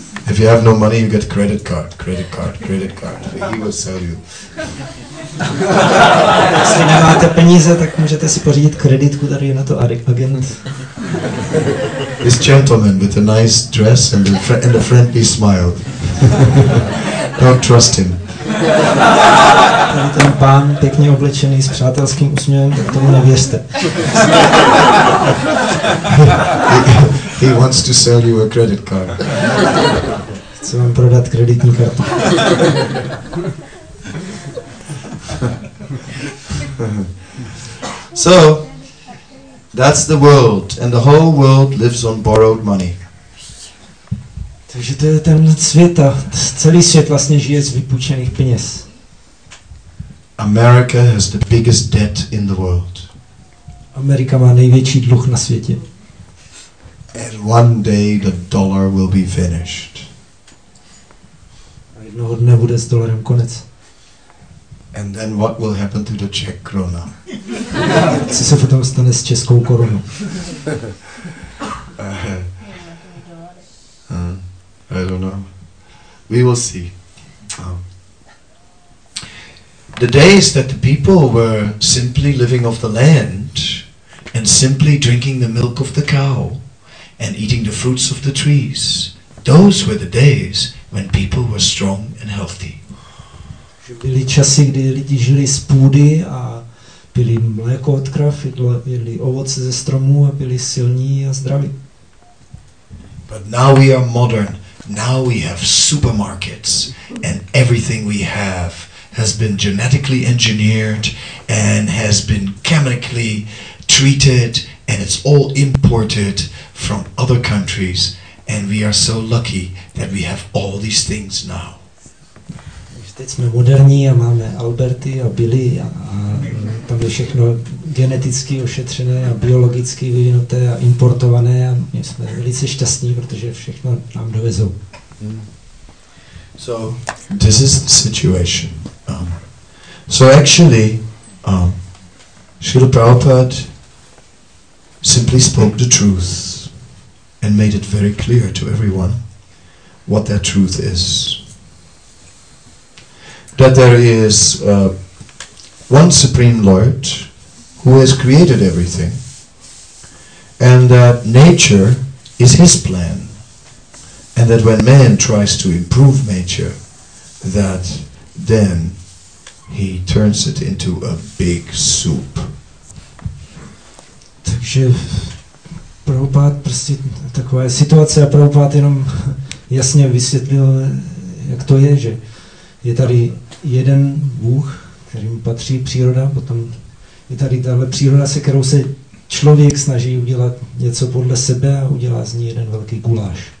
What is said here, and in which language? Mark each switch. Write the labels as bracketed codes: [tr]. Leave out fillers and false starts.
[en] If you have no money, you get credit card. He will sell you. [cs] Jestli nemáte peníze, tak můžete si pořídit kreditku, tady je na to agent. [en] This gentleman with a nice dress and a friendly smile. Don't trust him. [cs] Tady ten pán, pěkně oblečený, s přátelským úsměvem, tak tomu nevěřte. [en] He wants to sell you a credit card. [cs] Chce vám prodat kreditní kartu. [en] So, that's the world, and the whole world lives on borrowed money. [cs] Takže to je ten svět a celý svět vlastně žije z vypůjčených peněz. [en] America has the biggest debt in the world. [cs] Amerika má největší dluh na světě. [en] And one day the dollar will be finished. [cs] A jednoho dne bude s dolarem konec. [en] And then what will happen to the Czech krona? [cs] Co se potom stane s českou korunou? [en] I don't know. We will see. The days that the people were simply living off the land and simply drinking the milk of the cow and eating the fruits of the trees, those were the days when people were strong and healthy. [cs] Že byly časy, kdy lidi žili z půdy a pili mléko od krav, jedli ovoce ze stromů a byli silní a zdraví. [en] But now we are modern. Now we have supermarkets and everything we have has been genetically engineered and has been chemically treated and it's all imported from other countries and we are so lucky that we have all these things now. [cs] Teď jsme moderní a máme Alberty a Billy a tam je všechno geneticky ošetřené a biologicky vyvinuté a importované a my jsme velice šťastní, protože všechno nám dovezou. [en] So this is the situation. So actually, Srila Prabhupada simply spoke the truth and made it very clear to everyone what that truth is. That there is one Supreme Lord who has created everything and that nature is his plan and that when man tries to improve nature that then he turns it into a big soup. [cs] Takže Prabhupád prostě taková je situace a Prabhupád jenom jasně vysvětlil, jak to je, že je tady jeden Bůh, kterým patří příroda, potom je tady tahle příroda, se kterou se člověk snaží udělat něco podle sebe a udělá z ní jeden velký guláš.